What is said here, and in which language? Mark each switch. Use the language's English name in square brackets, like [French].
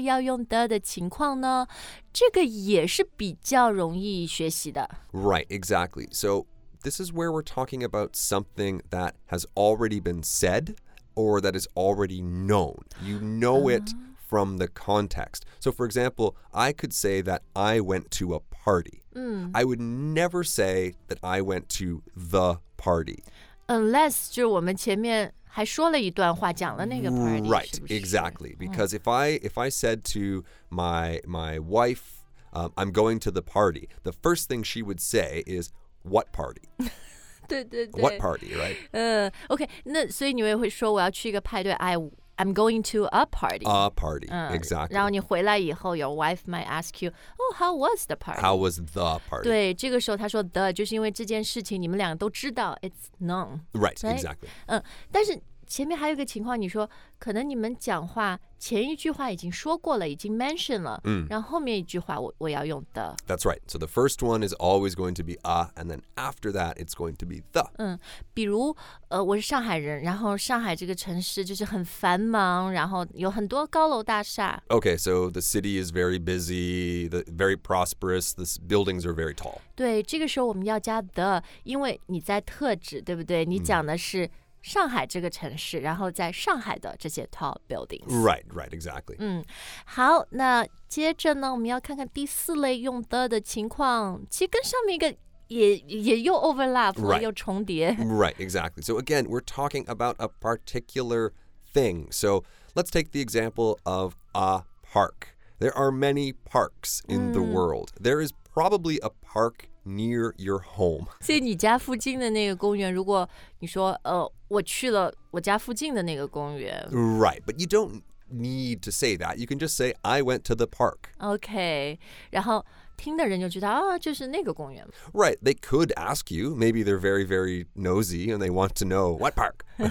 [Chinese] 好，那接下来第三类要用的情况呢?这个也是比较容易学习的。 [English] Right, exactly. So this is where we're talking about something that has already been said or that is already known. You know it from the context. So for example, I could say that I went to a party. I would never say that I went to the party. Unless [Chinese] 就我们前面还说了一段话，讲了那个 party. [English] Right, [Chinese] 是不是? [English] Exactly. Because if I said to my wife, I'm going to the party, the first thing she would say is, what party? [Chinese] 对对对, [English] what party, right? [Chinese] Okay, 那所以你也会说我要去一个派对, [English] I'm going to a party. A party, exactly. [Chinese] 然后你回来以后, [English] your wife might ask you, oh, how was the party? How was the party? [Chinese] 对,这个时候他说the, 就是因为这件事情你们两个都知道, [English] it's known. Right, exactly. [Chinese] 但是前面还有一个情况,你说, 可能你们讲话前一句话已经说过了, 已经mentioned了, 然后后面一句话我要用the. [English] That's right. So the first one is always going to be a, and then after that, it's going to be the. [Chinese] 比如我是上海人, 然后上海这个城市就是很繁忙, 然后有很多高楼大厦。 [English] Okay, so the city is very busy, very prosperous, the buildings are very tall. [Chinese] 对,这个时候我们要加the, 因为你在特指, 对不对? 你讲的是 上海这个城市, 然后在上海的这些 [English] tall buildings. Right, right, exactly. [Chinese] 好,那接着呢, 我们要看看第四类用的情况, 其实跟上面一个也又 overlap, [English] right. [Chinese] 又重叠。 [English] Right, exactly. So again, we're talking about a particular thing. So let's take the example of a park. There are many parks in the world. There is probably a park near your home. [Chinese] 所以你家附近的那个公园,如果你说, 我去了我家附近的那个公园。 [English] Right, but you don't need to say that. You can just say, I went to the park. [Chinese] Okay, 然后听的人就觉得, 就是那个公园。 [English] Right, they could ask you. Maybe they're very, very nosy and they want to know, what park?